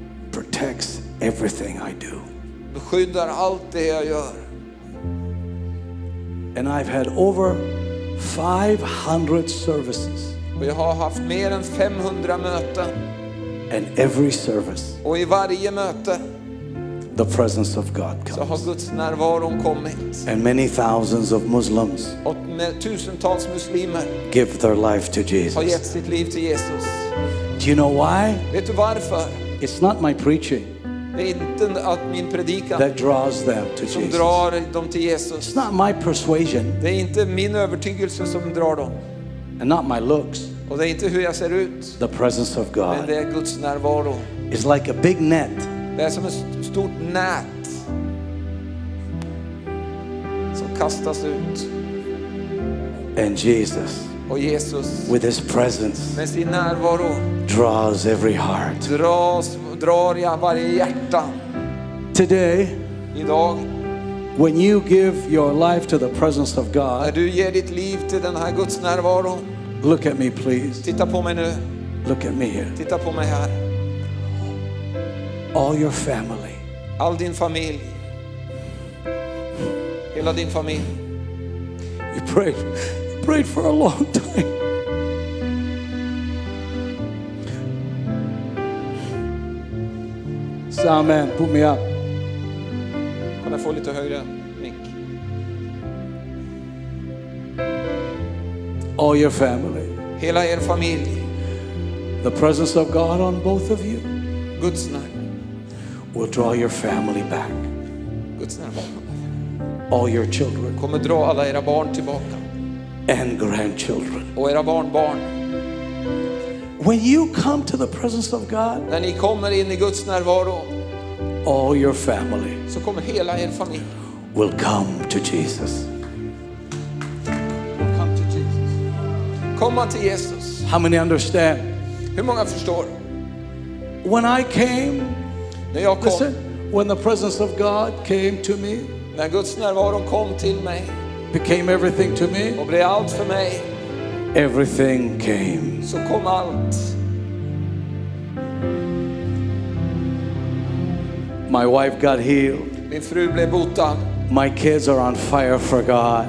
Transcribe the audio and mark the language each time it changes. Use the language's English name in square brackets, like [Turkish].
[English] protects everything I do. [Swedish] Beskyddar allt det jag gör. [English] And I've had over 500 services. [Swedish] Och jag har haft mer än 500 möten. [English] And every service. [Swedish] Och i varje möte. [English] The presence of God comes. [Swedish] Så har Guds närvaro kommit. [English] And many thousands of Muslims. [Swedish] Och tusentals muslimer. [English] Give their life to Jesus. [Swedish] Har gett sitt liv till Jesus. [English] Do you know why? [Swedish] Vet du varför? [English] It's not my preaching. [Swedish] Det är inte att min predikan. [English] That draws them to [Swedish] som [English] Jesus. [Swedish] Som drar dem till Jesus. [English] It's not my persuasion. [Swedish] Det är inte min övertygelse som drar dem. [English] And not my looks. [Swedish] Och det är inte hur jag ser ut. [English] The presence of God. [Swedish] Men det är Guds närvaro. [English] It's like a big net. [Swedish] Det är som ett stort nät som kastas ut. [English] And Jesus, [Swedish] och Jesus, [English] with his presence, [Swedish] med sin närvaro, [English] draws every heart. [Swedish] Drar jag varje hjärta. [English] Today, [Swedish] idag, [English] when you give your life to the presence of God, [Swedish] när du ger ditt liv till den här Guds närvaro, [English] look at me, please. [Swedish] Titta på mig nu. [English] Look at me here. [Swedish] Titta på mig här. [English] All your family. [Swedish] All din familj. Hela din familj. [English] You prayed for a long time. So, amen. Put me up. [Swedish] Kan jag få lite högre mic? [English] All your family. [Swedish] Hela er familj. [English] The presence of God on both of you. [Swedish] Guds närvaro. [English] Will draw your family back. All your children. [Swedish] Kommer dra alla era barn tillbaka. [English] And grandchildren. [Swedish] Och era barnbarn. [English] When you come to the presence of God. [Swedish] När ni kommer in i Guds närvaro. [English] All your family. [Swedish] Så kommer hela er familj. [English] Will come to Jesus. Will come to Jesus. [Swedish] Komma till Jesus. [English] How many understand? [Swedish] Hur många förstår? [English] When I came. [Swedish] När jag kom. [English] Listen, when the presence of God came to me, [Swedish] när Guds närvaro kom till mig, [English] became everything to me, [Swedish] och blev allt för mig, [English] everything came. [Swedish] Så kom allt. [English] My wife got healed. [Swedish] Min fru blev botad. [English] My kids are on fire for God.